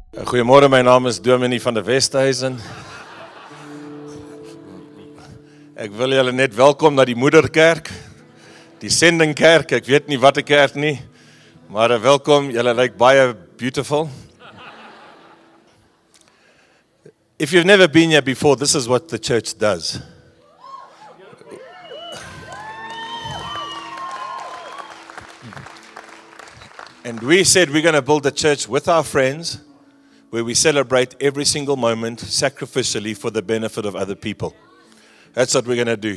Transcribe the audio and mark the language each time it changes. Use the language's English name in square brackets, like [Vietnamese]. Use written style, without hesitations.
[Afrikaans] Goeiemôre, my naam is Dominee van de Westhuizen. Ek wil julle net welkom na die moederkerk, die sendingkerk, ek weet nie wat die kerk nie, maar welkom, julle lyk baie beautiful. [English] If you've never been here before, this is what the church does. And we said we're going to build a church with our friends, where we celebrate every single moment sacrificially for the benefit of other people. That's what we're going to do.